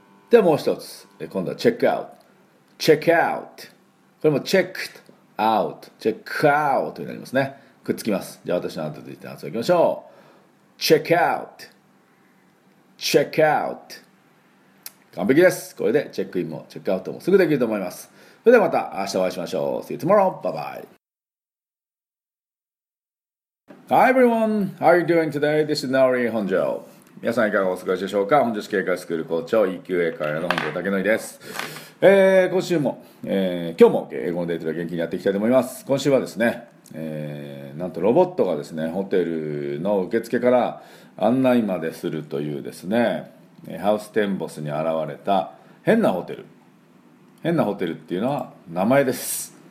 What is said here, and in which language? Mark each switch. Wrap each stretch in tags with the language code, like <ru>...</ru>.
<ja>でもう一つ、今度はチェックアウト、チェックアウト、これもチェックアウト、チェックアウトになりますね。くっつきます。じゃあ私の後で発音いきましょう。チェックアウト、チェックアウト、完璧です。これでチェックインもチェックアウトもすぐできると思います。それではまた明日お会いしましょう。</ja> <en>See you tomorrow, bye bye. Hi everyone, how are you doing today? This is Naori Honjo.</en> <ja>皆さんいかがお過ごしでしょうか。本日経過スクール校長 EQA 会話の本庄武則です。今週も、今日も英語のデータで元気にやっていきたいと思います。今週はですね、なんとロボットがですね、ホテルの受付から案内までするというですね、ハウステンボスに現れた変なホテル、変なホテルっていうのは名前です。</ja>